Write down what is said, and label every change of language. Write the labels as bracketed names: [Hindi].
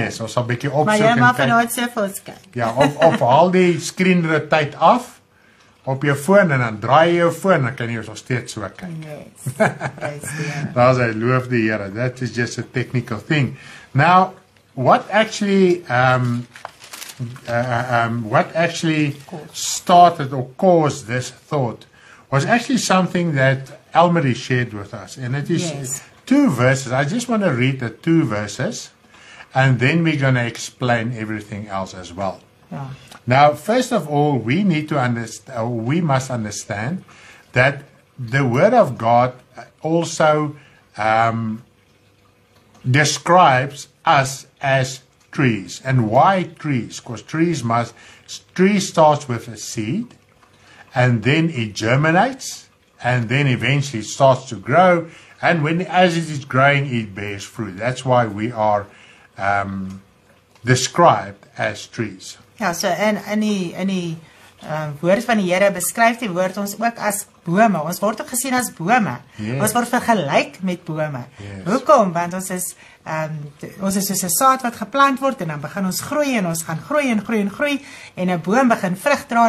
[Afrikaans] Yes, ons sal 'n bietjie opsoek en kyk. Maar jy mag vanuit sy foto's kyk. Ja, of haal die skerm tyd af. op jou foon en dan draai jy jou foon, dan kan jy ons nog steeds so kyk. [English] Yes. [Afrikaans] Daar is hy, loof die Here. [English] That is just a technical thing. Now, what actually started or caused this thought was actually something that Elmarie shared with us. And it is two verses. I just want to read the two verses and then we're going to explain everything else as well. Yeah. Now, first of all, we need to understand, we must understand that the Word of God also describes us as trees. And why trees? Because trees starts with a seed, and then it germinates, and then eventually it starts to grow, and as it is growing, it bears fruit. That's why we are described as trees. [Afrikaans] Ja, so in die woord van die Here beskryf die woord ons ook as bome. Ons word ook gesien as bome. [English] Yes. [Afrikaans] Ons word vergelyk met bome. [English] Yes. [Afrikaans] Hoekom? Want ons is soos 'n saad wat geplant word en dan begin ons groei en ons gaan groei en groei en groei en 'n boom begin vrug dra.